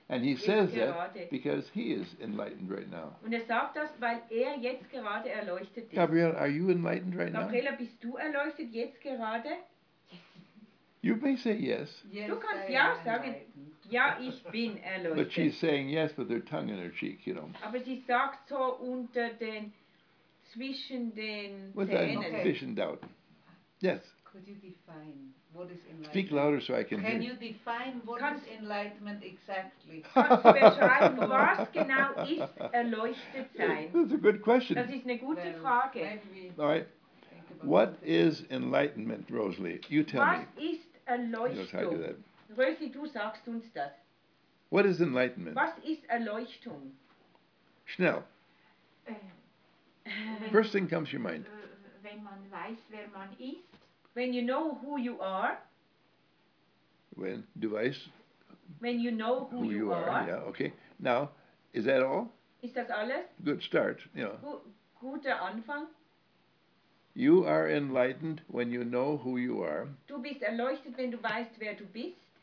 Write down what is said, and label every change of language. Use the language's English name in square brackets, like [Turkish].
[English] And he says that because he is enlightened right now. [German] Und sagt das, weil jetzt gerade erleuchtet ist. [English] Gabriel, are you enlightened right Gabriela, now? [German] Gabriela, bist du erleuchtet jetzt gerade? [English] Yes. You may say yes. Yes, [German] du kannst ja sagen, ja, ich bin erleuchtet. [English] But she's saying yes with her tongue in her cheek, you know. [German] Aber sie sagt so unter den zwischen den with Zähnen. [English] With sufficient okay. doubt. Yes. Could you define what is enlightenment? Speak louder so I can hear. Can you define what is enlightenment exactly? [German] Kannst du beschreiben, was genau ist erleuchtet sein? [English] That's a good question. [German] Das ist eine gute Frage. [English] All right. What is enlightenment, Rosalie? You tell [German] me. Was ist Erleuchtung? [English] You know how to do that. [German] Rosalie, du sagst uns das. [English] What is enlightenment? [German] Was ist Erleuchtung? Schnell. [English] First thing comes to your mind. [German] Wenn man weiß, wer man ist. [English] When you know who you are. [German] When du weißt. [English] When you know who you are. Yeah, okay. Now, is that all? [German] Ist das alles? [English] Good start, you know. [German] Guter Anfang. [English] You are enlightened when you know who you are. [German] Du bist erleuchtet, wenn du weißt, wer du bist.